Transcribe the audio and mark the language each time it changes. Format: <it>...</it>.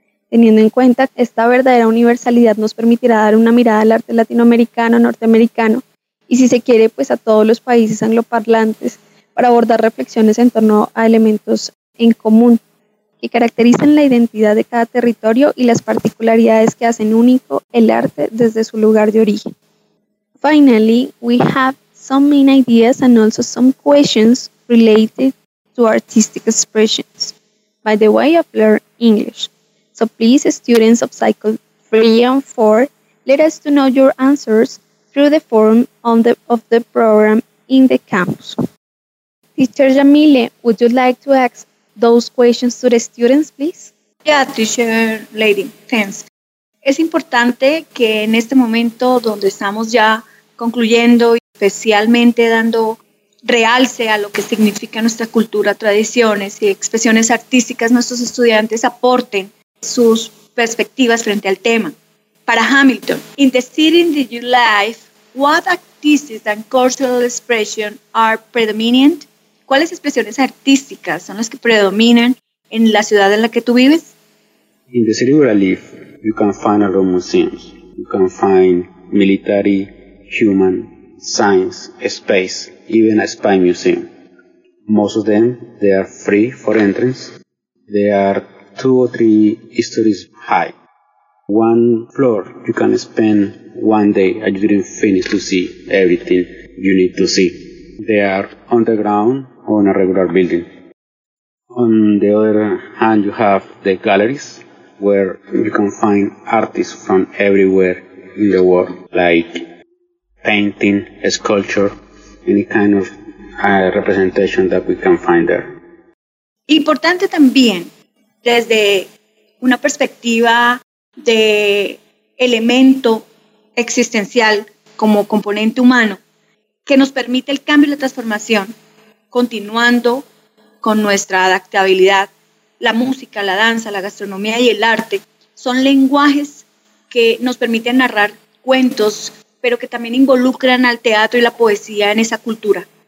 <es>Teniendo en cuenta esta verdadera universalidad nos permitirá dar una mirada al arte latinoamericano, norteamericano y si se quiere pues a todos los países angloparlantes para abordar reflexiones en torno a elementos en común que caracterizan la identidad de cada territorio y las particularidades que hacen único el arte desde su lugar de origen.</es> <en>Finally, we have some main ideas and also some questions related to artistic expressions by the way of Learn English. So please, students of Cycle 3 and 4, let us to know your answers through the form of the program in the campus. Teacher Jamile, would you like to ask those questions to the students, please? Yeah, teacher lady, thanks.</en> <es>Es importante que en este momento donde estamos ya concluyendo y especialmente dando realce a lo que significa nuestra cultura, tradiciones y expresiones artísticas, nuestros estudiantes aporten sus perspectivas frente al tema.</es> <en>Para Hamilton, in the city in the life, what artistic and cultural expression are predominant?</en> <es>¿Cuáles expresiones artísticas son las que predominan en la ciudad en la que tú vives?</es> <en>In the city where I live, you can find a lot of museums. You can find military, human, science, space, even a spy museum. Most of them, they are free for entrance. They are 2 or 3 stories high. One floor, you can spend one day and you didn't finish to see everything you need to see. They are underground or in a regular building. On the other hand, you have the galleries where you can find artists from everywhere in the world, like painting, sculpture, any kind of representation that we can find there.</en> <es>Importante también, desde una perspectiva de elemento existencial como componente humano, que nos permite el cambio y la transformación, continuando con nuestra adaptabilidad, la música, la danza, la gastronomía y el arte, son lenguajes que nos permiten narrar cuentos, pero que también involucran al teatro y la poesía en esa cultura.</es>